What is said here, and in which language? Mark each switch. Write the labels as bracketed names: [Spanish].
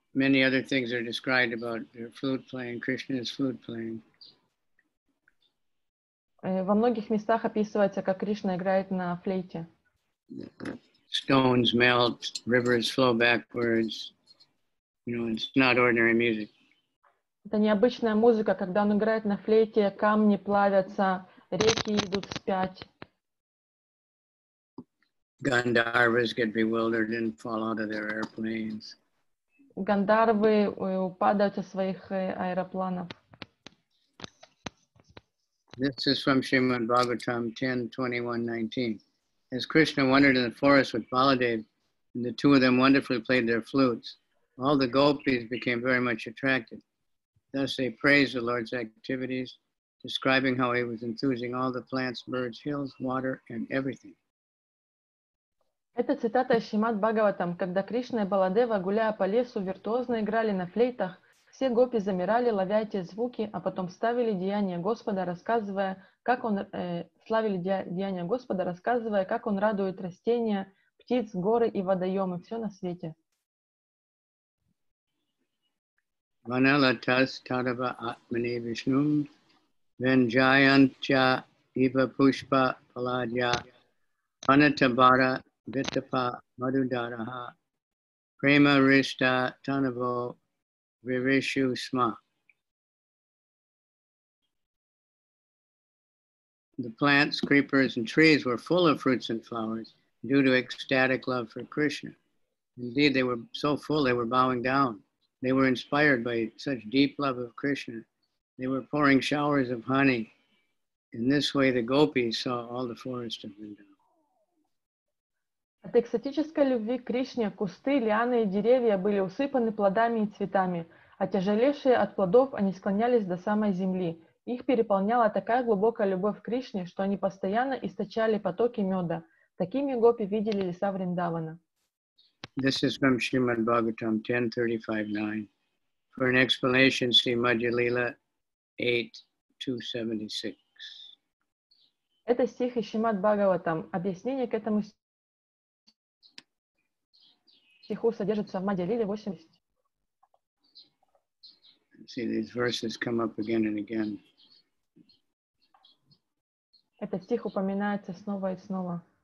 [English] Many other things are described about their flute playing, Krishna's flute playing. [Russian] Во многих местах описывается, как Кришна играет на флейте. [English] Stones melt, rivers flow backwards. You know, it's not ordinary music. [Russian] Это необычная музыка, когда он играет на флейте, камни плавятся, реки идут вспять. [English] Gandharvas get bewildered and fall out of their airplanes. [Russian] Гандхарвы падают со своих аэропланов. [English] This is from Srimad Bhagavatam 10.21.19. As Krishna wandered in the forest with Baladev, and the two of them wonderfully played their flutes, all the gopis became very much attracted. Thus they praised the Lord's activities, describing how he was enthusing all the plants, birds, hills, water, and everything. [Russian] Это цитата из Шримад-Бхагаватам, когда Кришна и Баладева, гуляя по лесу, виртуозно играли на флейтах, все гопи замирали, ловя эти звуки, а потом ставили деяния Господа, рассказывая, как он славили деяния Господа, рассказывая, как он радует растения, птиц, горы и водоемы, все на свете. [Sanskrit] Ваналатас тарава атмане вишнум венджаянча ива пушпа паладья ванатабара витапа мадудараха према ришта танаво вивишу сма. [English] The plants, creepers, and trees were full of fruits and flowers due to ecstatic love for Krishna. Indeed, they were so full they were bowing down. They were inspired by such deep love of Krishna. They were pouring showers of honey. In this way, the gopis saw all the forest of Vrindavan. [Russian] От экстатической любви к Кришне кусты, лианы и деревья были усыпаны плодами и цветами, а тяжелейшие от плодов они склонялись до самой земли. Их переполняла такая глубокая любовь к Кришне, что они постоянно источали потоки меда. Такими гопи видели леса Вриндавана. [English] This is from Srimad Bhagavatam 10.35.9. For an explanation, see Madhya-lila 8.276. [Russian] Это стих из Шримад Бхагаватам. Объяснение к этому стиху содержится в Мадхья-лиле 80. [English] See, these verses come up again and again. [Russian] Этот стих упоминается снова и снова.